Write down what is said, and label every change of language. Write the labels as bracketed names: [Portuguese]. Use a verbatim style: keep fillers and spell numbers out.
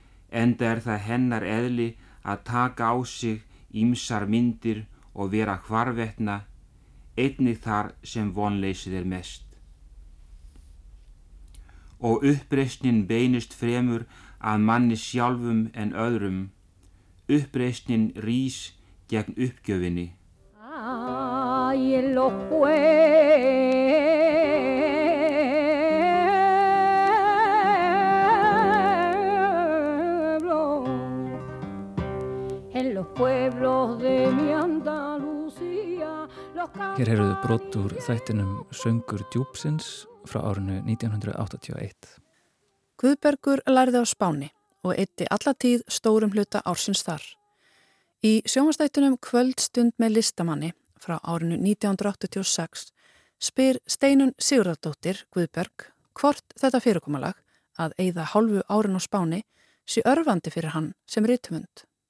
[Icelandic] Enda er það hennar eðli að taka á sig ýmsar myndir og vera hvarvetna, einnig þar sem vonleysið er mest. Og uppreisnin beinist fremur að manni sjálfum en öðrum. Uppreisnin rís gegn uppgjöfinni. [Spanish] Ay, lo pueblo, en los pueblos de mi Andalucía. [Icelandic] Hér heyrðu brot úr þættinum Söngur djúpsins frá árinu nítján áttatíu og eitt. Guðbergur lærði á Spáni og eitti alla tíð stórum hluta ársins þar. Í sjónvastættunum Kvöldstund með listamanni frá árinu nítján áttatíu og sex spyr Steinunn Sigurðardóttir Guðberg hvort þetta fyrirkomalag að eyða hálfu árin á Spáni sé örvandi fyrir hann sem rithöfund.